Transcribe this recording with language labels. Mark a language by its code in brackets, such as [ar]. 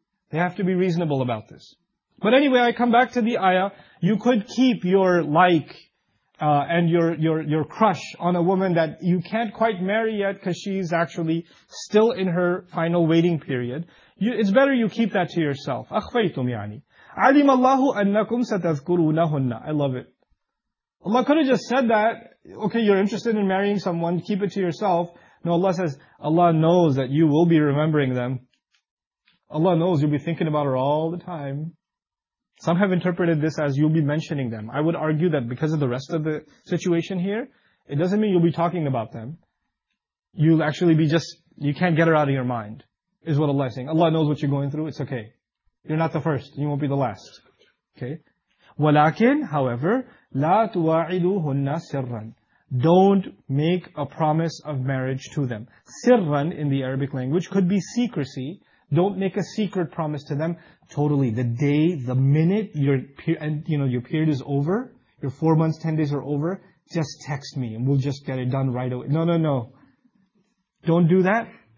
[en] They have to be reasonable about this. But anyway, I come back to the ayah. You could keep your like and your crush on a woman that you can't quite marry yet because she's actually still in her final waiting period. It's better you keep that to yourself. [ar] أَخْفَيْتُمْ يَعْنِي عَلِمَ اللَّهُ أَنَّكُمْ سَتَذْكُرُونَهُنَّ [en] I love it. Allah could have just said that, okay, you're interested in marrying someone, keep it to yourself. No, Allah says, Allah knows that you will be remembering them. Allah knows you'll be thinking about her all the time. Some have interpreted this as you'll be mentioning them. I would argue that because of the rest of the situation here, it doesn't mean you'll be talking about them. You'll actually be just, you can't get her out of your mind, is what Allah is saying. Allah knows what you're going through, it's okay. You're not the first, you won't be the last. Okay? [ar] Walakin, [en] however, [ar] لا تواعدوهن سرا. [en] Don't make a promise of marriage to them. Sirran in the Arabic language could be secrecy. Don't make a secret promise to them. Totally. The day, the minute your period is over, your 4 months, 10 days are over, just text me and we'll just get it done right away. No. Don't do that.